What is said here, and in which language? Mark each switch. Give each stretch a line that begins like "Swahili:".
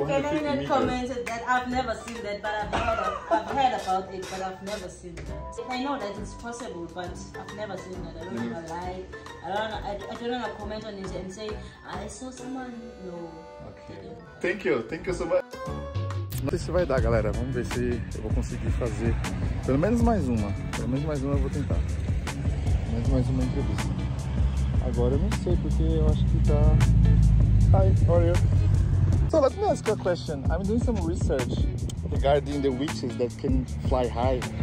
English: meters. Canadian commented that I've never seen that, but I've heard about it, but I've never seen that. I know that it's possible, but I've never seen that. I don't want to lie. I don't want to comment on it and say, I saw someone. No. Okay. Thank you so much.
Portuguese: Não sei se vai dar, galera. Vamos ver se eu vou conseguir fazer pelo menos mais uma. Pelo menos mais uma eu vou tentar. Pelo menos mais uma entrevista. Agora eu não sei, porque eu acho que tá...
English: Hi, how are you? So let me ask you a question. I'm doing some research regarding the witches that can fly high.